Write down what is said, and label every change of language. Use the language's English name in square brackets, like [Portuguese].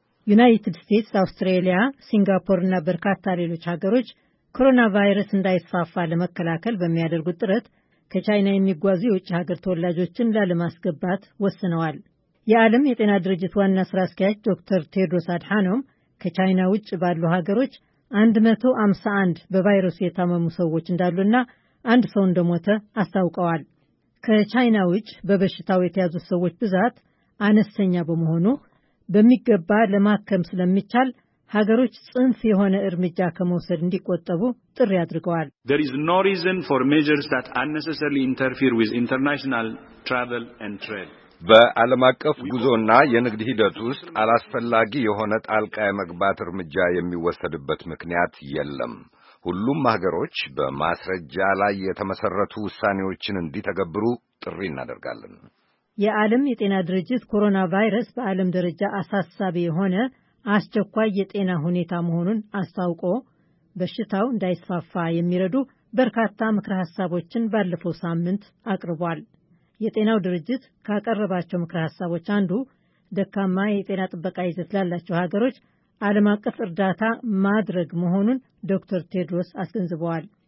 [Amharic] ዩናይትድ ስቴትስ፣ አውስትራሊያ፣ ሲንጋፖር እና በርካታ ሌሎች ሀገሮች ኮሮና ቫይረስ እንዳይስፋፋ ለመከላከል በሚያደርጉት ጥረት ከቻይና የሚጓዙ የውጭ ሀገር ተወላጆችን ላለማስገባት ወስነዋል። የዓለም የጤና ድርጅት ዋና ስራ አስኪያጅ ዶክተር ቴድሮስ አድሃኖም ከቻይና ውጭ ባሉ ሀገሮች 151 በቫይረሱ የታመሙ ሰዎች እንዳሉና አንድ ሰው እንደሞተ አስታውቀዋል። ከቻይና ውጭ በበሽታው የተያዙ ሰዎች ብዛት አነስተኛ በመሆኑ በሚገባ ለማከም ስለሚቻል ሀገሮች ጽንፍ የሆነ እርምጃ ከመውሰድ እንዲቆጠቡ ጥሪ አድርገዋል። [English] There is no reason for measures that unnecessarily interfere with international travel and trade. [Amharic] በዓለም አቀፍ ጉዞና የንግድ ሂደት ውስጥ አላስፈላጊ የሆነ ጣልቃ የመግባት እርምጃ የሚወሰድበት ምክንያት የለም። ሁሉም ሀገሮች በማስረጃ ላይ የተመሰረቱ ውሳኔዎችን እንዲተገብሩ ጥሪ እናደርጋለን። የዓለም የጤና ድርጅት ኮሮና ቫይረስ በዓለም ደረጃ አሳሳቢ የሆነ አስቸኳይ የጤና ሁኔታ መሆኑን አስታውቆ በሽታው እንዳይስፋፋ የሚረዱ በርካታ ምክረ ሐሳቦችን ባለፈው ሳምንት አቅርቧል። የጤናው ድርጅት ካቀረባቸው ምክረ ሐሳቦች አንዱ ደካማ የጤና ጥበቃ ይዘት ላላቸው ሀገሮች ዓለም አቀፍ እርዳታ ማድረግ መሆኑን ዶክተር ቴድሮስ አስገንዝበዋል።